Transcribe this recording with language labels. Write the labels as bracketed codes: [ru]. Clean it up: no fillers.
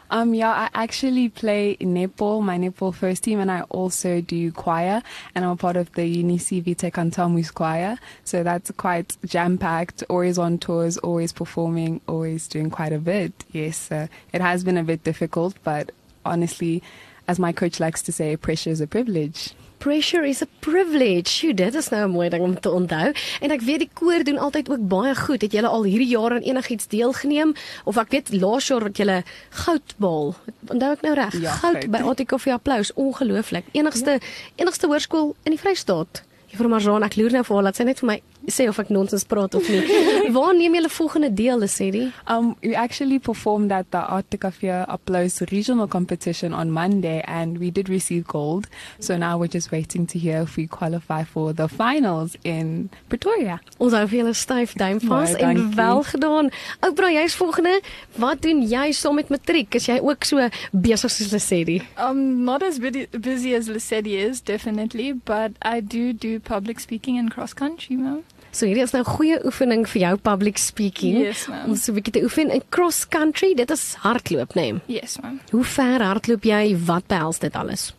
[en] Yeah, I actually play netball, my netball first team, and I also do choir, and I'm a part of the Unisi VTech Antamus choir, so that's quite jam-packed, always on tours, always performing, always doing quite a bit. Yes, it has been a bit difficult, but honestly, as my coach likes to say, pressure is a privilege. Pressure is a privilege. [af] Jy, dit is nou 'n mooi ding om te onthou. En ek weet die koor doen altyd ook baie goed. Het julle al hierdie jaar aan enigiets deelgeneem? Of ek weet laas jaar wat julle goud behaal. Onthou ek nou reg? Ja, goud by Otikoffie Applaus. Ongelooflik. Enigste hoërskool in die Vrystaat. Juffrou Marjane, ek loer nou vir haar, laat sy net vir my sê of ek nonsens praat of nie. Waar neem julle volgende deel, Lissetti? [en] We actually performed at the Artikafia Applaus regional competition on Monday and we did receive gold. So now we're just waiting to hear if we qualify for the finals in Pretoria. [af] Ons hou vir julle styf duim vas en wel gedaan. Oupra, jy is volgende. Wat doen jy saam met matriek? Is jy ook so besig soos Lissetti? [en] Not as busy as Lissetti is, definitely, but I do public speaking and cross country, ma'am. [af] So hierdie is nou 'n goeie oefening vir jou [en] public speaking. Yes, ma'am. [af] Om so 'n bietjie te oefen in cross country, dit is hardloop, né? Nee? [en] Yes, ma'am. [af] Hoe ver hardloop jy? Wat behels dit alles?